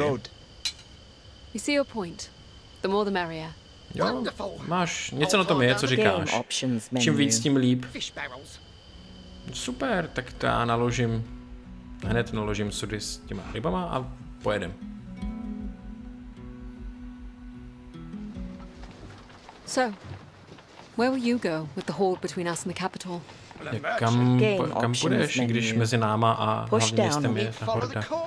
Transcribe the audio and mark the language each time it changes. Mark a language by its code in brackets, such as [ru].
[en] You see your point. The more the merrier. [cs] Jo, máš, něco na tom je, co říkáš. Čím víc, tím líp. Super, tak to já naložím. Hned naložím sudy s těma rybama a pojedem. [en] So, where will you go with the horde between us and the capital? [cs] Kam půjdeš, když mezi náma a hlavním městem je ta horda?